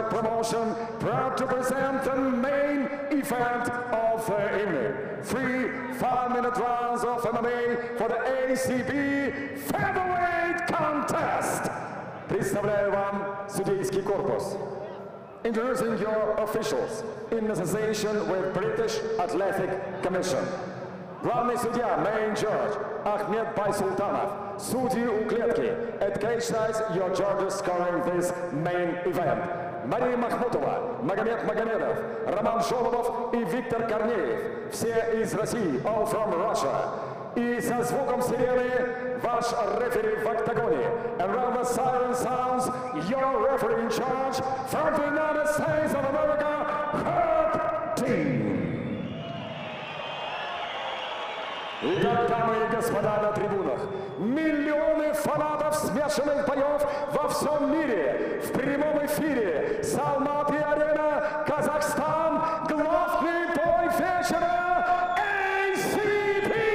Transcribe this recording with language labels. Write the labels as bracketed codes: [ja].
[en] Proud to present the main event of the evening. 3 5-minute rounds of MMA for the ACB Featherweight Contest. [ru] Представляю вам судейский корпус. [en] Introducing your officials in association with British Athletic Commission. [ru] Главный судья, main judge, Ахмед Байсултанов. Судьи у клетки. [en] At cage size, your judges scoring this main event. [ru] Мария Махмутова, Магомед Магомедов, Роман Шолобов и Виктор Корнеев. Все из России, [en] all from Russia. [ru] И со звуком сирены ваш рефери в октагоне. [en] And round the siren sounds, your referee in charge from the United States of America, Herb Dean. [ru] Итак, дамы и господа на трибунах, миллионы фанатов смешанных боев во всем мире. В прямом эфире с Алматы-арена, Казахстан, главный бой вечера ACB!